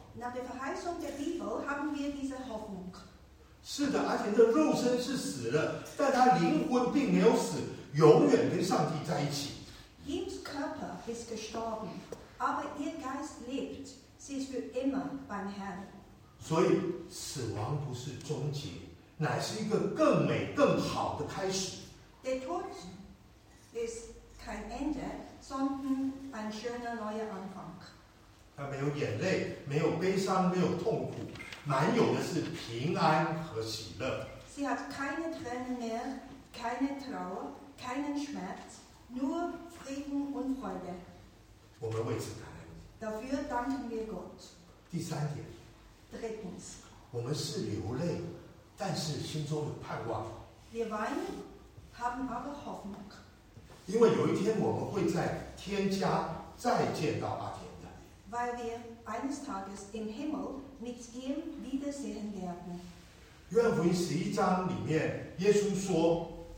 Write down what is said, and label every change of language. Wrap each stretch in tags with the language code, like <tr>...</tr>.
<de>Nach der Verheißung der Bibel haben wir diese Hoffnung.</de> <zh>是的，而且这肉身是死了，但他灵魂并没有死，永远跟上帝在一起。</zh> <de>Ihr Körper ist gestorben, aber ihr Geist lebt. Sie ist für immer beim Herrn.</de> <zh>所以死亡不是终结，乃是一个更美更好的开始。</zh> <de>Der Tod ist kein Ende. Ein schöner neuer Anfang.</de> <zh>他没有眼泪，没有悲伤，没有痛苦，满有的是平安和喜乐。</zh> <de>Sie hat keine Tränen mehr, keine Trauer, keinen Schmerz, nur Frieden und Freude.</de> <zh>我们为此感恩。</zh> <de>Dafür danken wir Gott.</de> <zh>第三点。</zh> <de>Drittens.</de> <zh>我们是流泪，但是心中有盼望。</zh> <de>Wir weinen, haben aber Hoffnung.</de> <zh>因为有一天我们会在天家再见到阿田的。</zh> <de>Weil wir eines Tages im Himmel mit ihm wiedersehen werden.</de> <zh>约翰福音十一章里面，耶稣说。</zh>